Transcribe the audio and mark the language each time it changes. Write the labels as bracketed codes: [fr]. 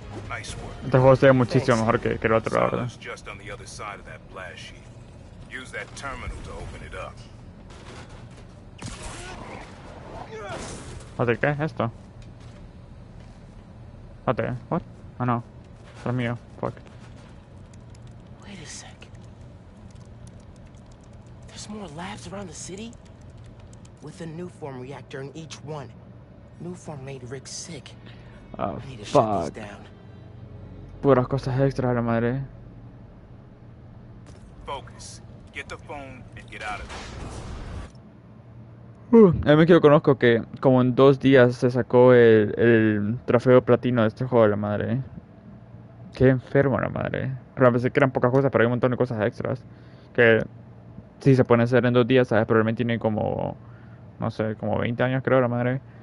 [es] Este juego sería muchísimo mejor que el otro, la verdad. [en] Just on the other side of that blast sheet. Use that terminal to open it up. [es] ¿Qué? ¿Esto? ¿Qué? [en] What? Oh no. [es] Esto es mío. [en] Fuck. Wait a sec. There's more labs around the city? With a new form reactor in each one. New form made Rick sick. Oh, fuck. [es] Puras cosas extras a la madre. [en] Focus. Get the phone and get out of there. [es] A mí que lo conozco que como en dos días se sacó el trofeo platino de este juego a la madre. Qué enfermo a la madre. Realmente sé que eran pocas cosas, pero hay un montón de cosas extras. Que si se pueden hacer en dos días, ¿sabes? Probablemente tiene como, no sé, como 20 años creo a la madre.